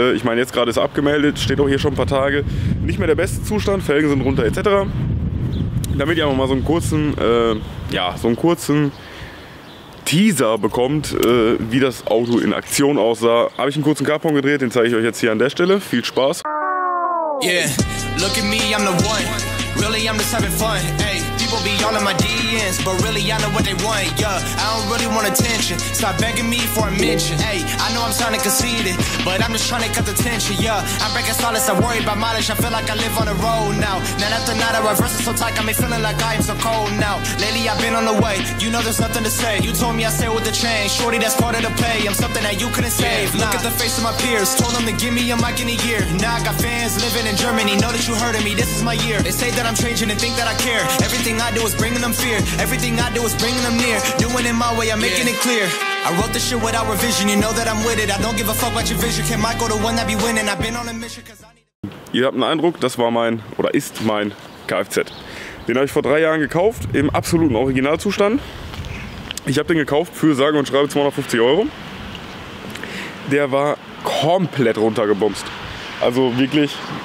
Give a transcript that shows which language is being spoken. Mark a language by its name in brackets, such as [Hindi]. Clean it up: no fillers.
[German] Ich meine, jetzt gerade ist abgemeldet, steht auch hier schon ein paar Tage. Nicht mehr der beste Zustand, Felgen sind runter etc. Damit ihr aber mal so einen kurzen Teaser bekommt, wie das Auto in Aktion aussah, habe ich einen kurzen Karton gedreht, den zeige ich euch jetzt hier an der Stelle. Viel Spaß! [English] Yeah, look at me, I'm the one. Really, I'm just having fun, ey. People be all in my DMs, but really, I know what they want, yeah. I don't really want attention, stop begging me for a mention, ey. I know I'm sounding conceited, but I'm just trying to cut the tension, yeah. I'm breaking solace, I'm worried about mileage, I feel like I live on the road now. Night after night, I reverse it so tight, got me feeling like I am so cold now. Lately, I've been on the way, you know there's nothing to say. You told me I stay with the change, shorty, that's part of the play. I'm something that you couldn't save, yeah. Look at the face of my peers, told them to give me a mic in a year. Now I got fans living in Germany, know that you heard of me, this is my year. They say that I'm changing and think that I care. Everything I do is bringing them fear. Everything I do is bringing them near. Doing it my way, I'm making it clear. I wrote this shit without revision. You know that I'm with it. I don't give a fuck about your vision. Can Michael the one that be winning? I've been on a mission cause I need. [German] Ihr habt einen Eindruck, das war mein oder ist mein Kfz. Den habe ich vor 3 Jahren gekauft im absoluten Originalzustand. Ich habe den gekauft für sage und schreibe 250 Euro. Der war komplett runtergebumst. Also wirklich.